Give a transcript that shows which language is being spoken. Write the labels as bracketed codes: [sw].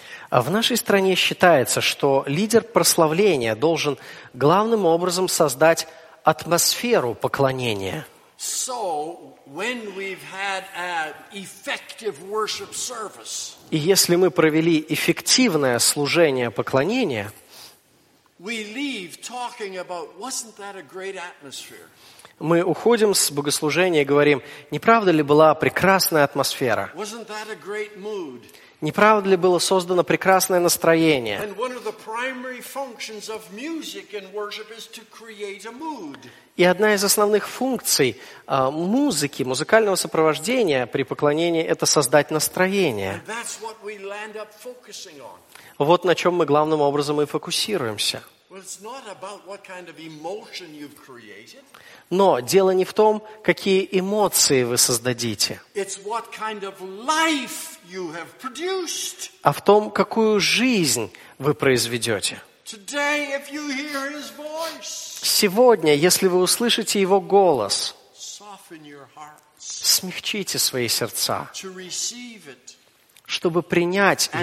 [ru] В нашей стране считается, что лидер прославления должен главным образом создать атмосферу поклонения. [en] So, when we've had an effective worship service, [ru] и если мы провели эффективное служение поклонения, [en] we leave talking about, wasn't that a great atmosphere? [ru] Мы уходим с богослужения и говорим, не правда ли была прекрасная атмосфера? [en] Wasn't that a great mood? [ru] Не правда ли было создано прекрасное настроение? [en] And one of the primary functions of music and worship is to create a mood. [ru] И одна из основных функций музыки, музыкального сопровождения при поклонении – это создать настроение. [en] And that's what we land up focusing on. [ru] Вот на чем мы главным образом и фокусируемся. [en] Well, it's not about what kind of emotion you've created. [ru] Но дело не в том, какие эмоции вы создадите, [en] it's what kind of life you have produced. [ru] А в том, какую жизнь вы произведете. [en] Today, if you hear his voice, [ru] сегодня, если вы услышите Его голос, [en] soften your hearts, [ru] смягчите свои сердца, [en] to receive it, [ru] чтобы принять [en] and